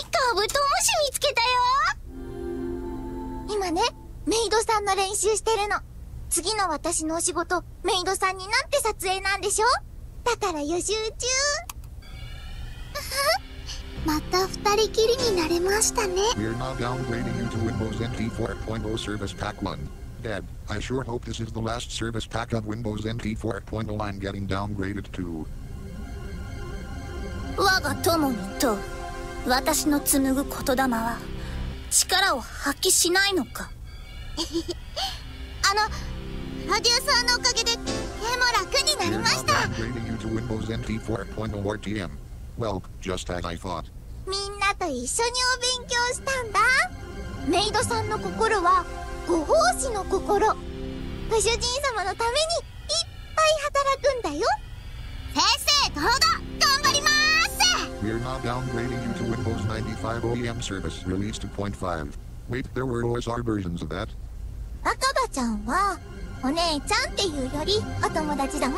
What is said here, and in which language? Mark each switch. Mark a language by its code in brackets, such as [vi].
[ja] カブトムシ見つけたよ。今ね。メイドさんの練習してるの。次の私のお仕事、メイドさんになって撮影なんでしょ？だから予習中。また二人きりになれましたね。 [en] We're now downgrading into Windows NT 4.0 Service Pack 1. Dad, I sure hope this is the last service pack of Windows NT 4.0 I'm getting downgraded to. [ja] 我が友にと、私の紡ぐ言霊は、力を発揮しないのか？プロデューサーのおかげで、手も楽になりました。 [en] We're now upgrading you to Windows NT 4.0 RTM. Well, just as I thought. [ja] みんなと一緒にお勉強したんだ。メイドさんの心は、ご奉仕の心。ご主人様のために、いっぱい働くんだよ。先生、どうぞ、頑張ります。 [en] We're now downgrading you to Windows 95 OEM Service Release 2.5. Wait, there were OSR versions of that. [ja] 若葉ちゃんは、お姉ちゃんっていうより、お友達だもん。